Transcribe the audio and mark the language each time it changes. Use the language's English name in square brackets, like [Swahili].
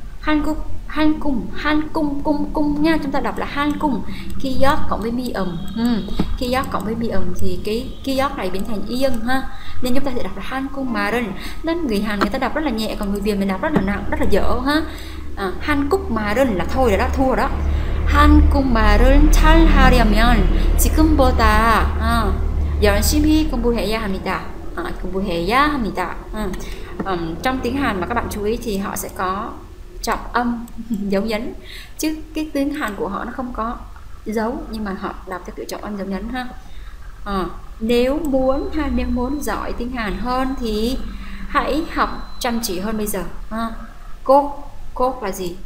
[Vietnamese] Han cung nha, chúng ta đọc là han cung. Kiyok cộng với mi ầm. Kiyok cộng với mi ầm thì cái kiyok này biến thành yên ha. Nên chúng ta sẽ đọc là han cung mà rừng. Nên người Hàn người ta đọc rất là nhẹ, còn người Việt mình đọc rất là nặng, rất là dở ha. Han cung mà rừng là thôi rồi đó, thua rồi đó. [Korean] 한국말을 잘 하려면 지금보다 열심히 공부해야 합니다. 공부해야 합니다. [Vietnamese] Trong tiếng Hàn mà các bạn chú ý thì họ sẽ có trọng âm, dấu nhấn. Chứ cái tiếng Hàn của họ nó không có dấu, nhưng mà họ đọc theo kiểu trọng âm, dấu nhấn ha. Nếu muốn giỏi tiếng Hàn hơn thì hãy học chăm chỉ hơn bây giờ. Cốt là gì?